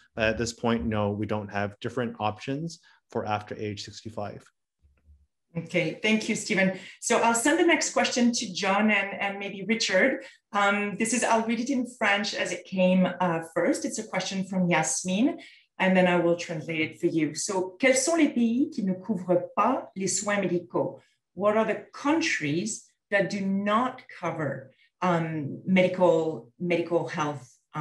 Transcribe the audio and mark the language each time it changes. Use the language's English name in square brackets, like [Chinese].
[English] But at this point, no, we don't have different options for after age 65. Okay, thank you, Stephen. So I'll send the next question to John and maybe Richard. This is, I'll read it in French as it came first. It's a question from Yasmin, and then I will translate it for you. [French] So, quels sont les pays qui ne couvrent pas les soins médicaux? [English] What are the countries that do not cover medical health